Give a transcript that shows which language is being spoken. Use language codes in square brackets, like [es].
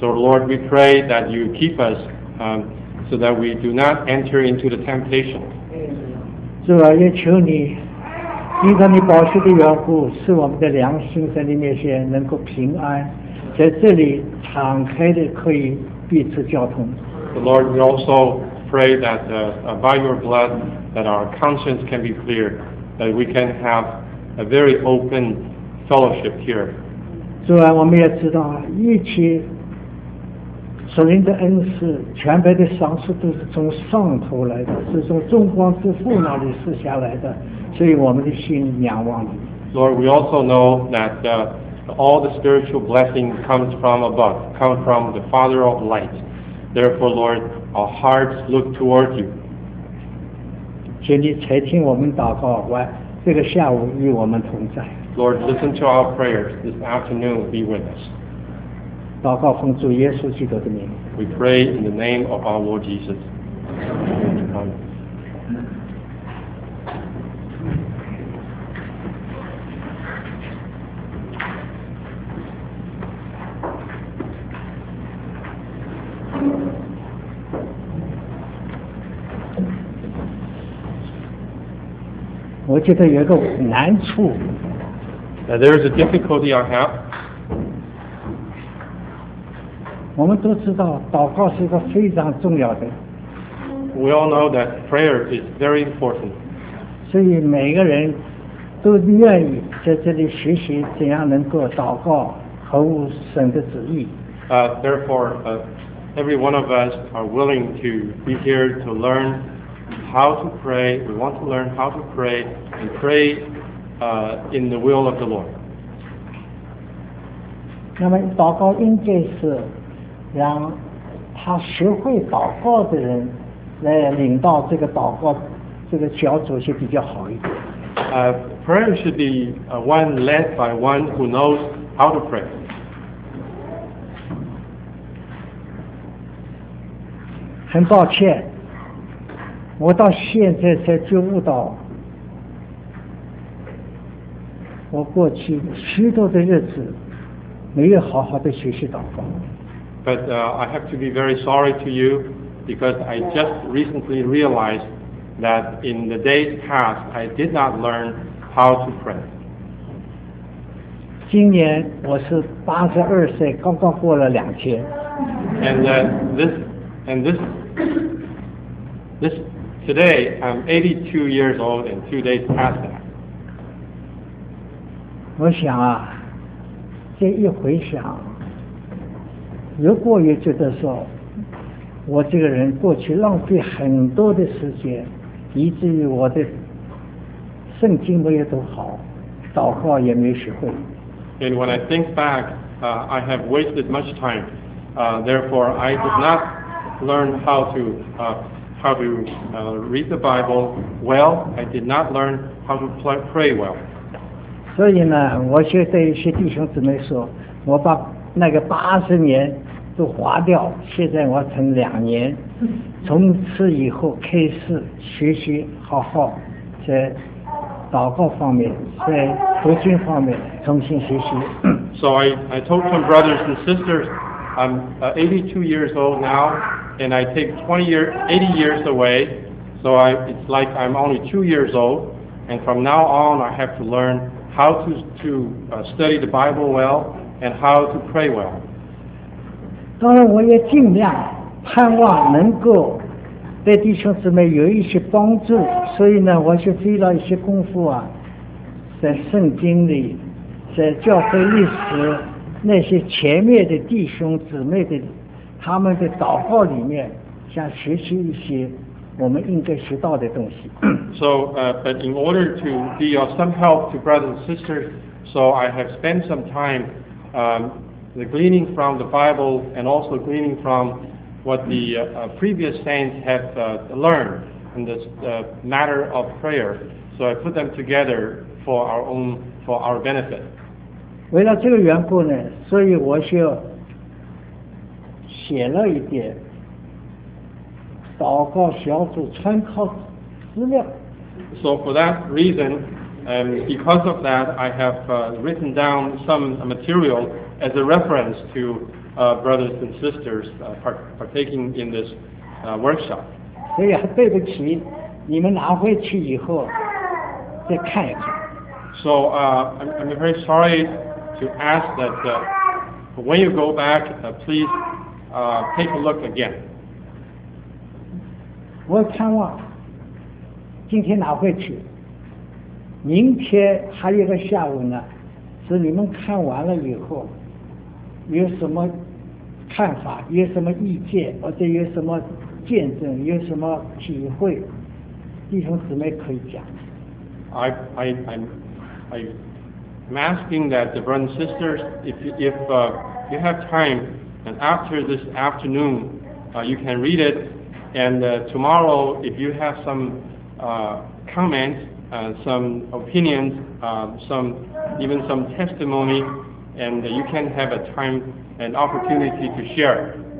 [en] So, Lord, we pray that you keep us, so that we do not enter into the temptation. [zh] 主啊，也求你，因着你宝血的缘故，使我们的良心在你面前能够平安，在这里敞开的可以彼此交通。 [en] So, Lord, we also. Pray that by your blood that our conscience can be clear, that we can have a very open fellowship here. [zh] 主啊，我们也知道一切属灵的恩赐、全备的赏赐都是从上头来的，是从众光之父那里赐下来的，所以我们的心仰望你。 [en] Lord, we also know that all the spiritual blessing comes from above, comes from the Father of light. Therefore, Lord. Our hearts look toward you. [zh] 请你垂听我们祷告，这个下午与我们同在。 [en] Lord, listen to our prayers. This afternoon, be with us. [zh] 祷告奉主耶稣基督的名。 [en] We pray in the name of our Lord Jesus. Amen. [zh] 我觉得有一个难处。 [en] There is a difficulty I have. [zh] 我们都知道祷告是一个非常重要的。 [en] We all know that prayer is very important. [zh] 所以每个人都愿意在这里学习怎样能够祷告合乎神的旨意。 [en] Therefore, every one of us are willing to be here to learn. How to pray, we want to learn how to pray and pray in the will of the Lord. [zh] 那么祷告应该是让他学会祷告的人来领到这个祷告这个小组是比较好一点。 [en] Prayer should be one led by one who knows how to pray. [zh] 很抱歉。我到现在才觉悟到，我过去许多的日子没有好好的学习祷告。 [en] But I have to be very sorry to you because I just recently realized that in the days past I did not learn how to pray. [zh] 今年我是82岁，刚刚过了两天。 [en] And this. Today, I'm 82 years old and 2 days past that. [zh] 我想啊，这一回想，如果也觉得说，我这个人过去浪费很多的时间，以至于我的圣经没有读好，祷告也没学会。 [en] And when I think back, I have wasted much time. Therefore, I did not learn how to read the Bible well. I did not learn how to pray well. [zh] 所以呢，我就对一些弟兄姊妹说，我把那个80年都划掉，现在我成2年，从此以后开始学习，好好在祷告方面，在读经方面重新学习。 [en] So I told some brothers and sisters, I'm 82 years old now. And I take 80 years away, so it's like I'm only 2 years old. And from now on, I have to learn how to study the Bible well and how to pray well. [zh] 当然，我也尽量盼望能够对弟兄姊妹有一些帮助。所以呢，我就费了一些功夫啊，在圣经里，在教会历史那些前面的弟兄姊妹的。他们的祷告里面想学习一些我们应该学到的东西。 [en] So, but in order to be of some help to brothers and sisters, so I have spent some time the gleaning from the Bible and also gleaning from what the previous saints have learned in this matter of prayer. So I put them together for our benefit. [zh] 为了这个缘故呢，所以我就写了一点祷告小组参考资料。 [en] So for that reason, and because of that, I have written down some material as a reference to brothers and sisters partaking in this workshop. [zh] 所以对不起，你们拿回去以后再看一看。 [en] So I'm very sorry to ask that when you go back, please. Take a look again. [zh] 我看望今天拿回去，明天还有个下午呢，是你们看完了以后有什么看法，有什么意见，或者有什么见证，有什么体会，弟兄姊妹可以讲。 [en] I'm asking that the brothers and sisters, if you have time. And after this afternoon, you can read it. And tomorrow, if you have some comments, some opinions, some even some testimony, and you can have a time and opportunity to share.